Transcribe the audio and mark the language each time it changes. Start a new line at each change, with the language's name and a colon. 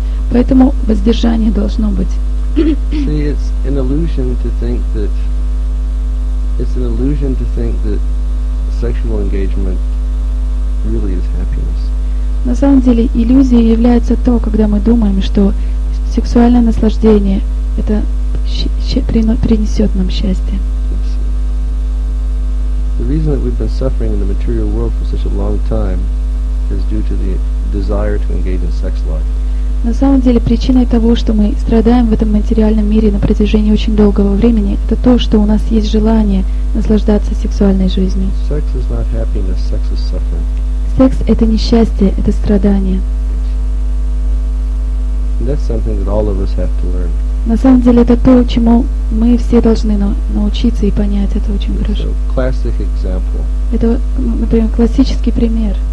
Russian: Поэтому воздержание должно быть.
English: See, it's an illusion to think that sexual engagement really is happiness.
Russian: На самом деле иллюзией является то, когда мы думаем, что сексуальное наслаждение это принесет нам счастье.
English: The reason that we've been suffering in the material world for such a long time is due to the desire to engage in sex life.
Russian: На самом деле причиной того, что мы страдаем в этом материальном мире на протяжении очень долгого времени, это то, что у нас есть желание наслаждаться сексуальной жизнью.
English: Sex is not happiness, sex is suffering.
Russian: Секс — это не счастье, это страдание.
English: And that's something that all of us have to learn.
Russian: На самом деле это то, чему мы все должны научиться и понять это очень хорошо.
English: It's a classic example.
Russian: Это, например, классический пример.